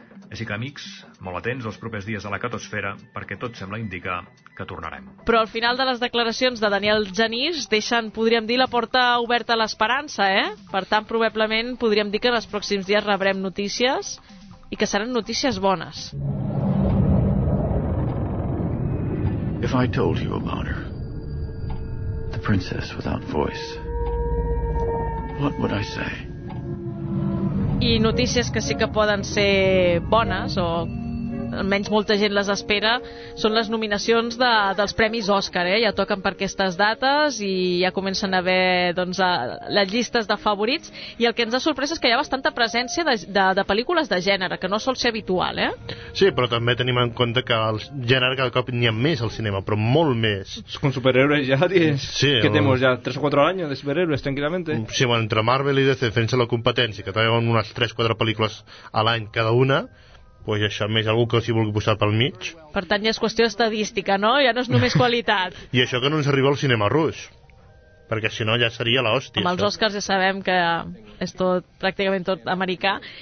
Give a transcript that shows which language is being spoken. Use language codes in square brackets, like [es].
[ca] Així que, amics, molt atents els propers dies a la catosfera, perquè tot sembla indicar que tornarem. Però al final de les declaracions de Daniel Genís deixen, podríem dir, la porta oberta a l'esperança, eh? Per tant, probablement podríem dir que en els pròxims dies rebrem notícies i que seran notícies bones. [en] If I told you about her, the princess without voice, what would I say? [ca] I notícies que sí que poden ser bones, o almenys molta gent les espera, són les nominacions dels Premis Òscar, eh? Ja toquen per aquestes dates i ja comencen a haver les llistes de favorits. I el que ens ha sorprès és que hi ha bastanta presència de pel·lícules de gènere, que no sol ser habitual, eh? Sí, però també tenim en compte que el gènere cada cop n'hi ha més al cinema, però molt més. [es] Con superhéroes ja, tienes. Sí. Que tenemos ya 3 o 4 años de superhéroes, tranquilamente. [ca] Sí, bueno, entre Marvel i DC, fent-se la competència, que traiem unes 3-4 pel·lícules a l'any cada una, pues això, més algú que s'hi vulgui posar pel mig. Per tant, ja és qüestió estadística, no? Ja no és només qualitat. I això que no ens arriba al cinema rus, perquè si no ja seria l'hòstia. Amb els Oscars ja sabem que és tot, pràcticament tot americà.